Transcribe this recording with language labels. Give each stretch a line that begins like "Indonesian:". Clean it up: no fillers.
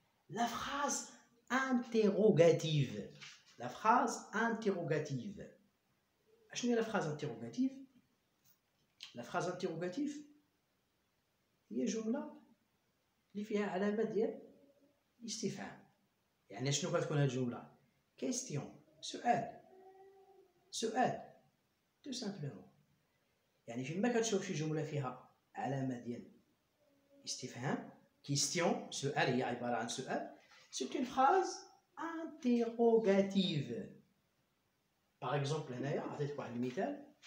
French: La phrase interrogative. La phrase interrogative. Qu'est-ce que la phrase interrogative? La phrase interrogative, il y a une jumla qui fait une
Arabic: علامة ديال استفهام. يعني شنو كتكون هاد الجملة؟ Question. سؤال. سؤال.
French: Tout simplement.
Arabic: يعني فيما كتشوف شي جملة فيها علامة ديال استفهام. Question. سؤال هي عبارة عن سؤال.
French: C'est une phrase interrogative. Par exemple, Naya, à tête quoi, limitelle.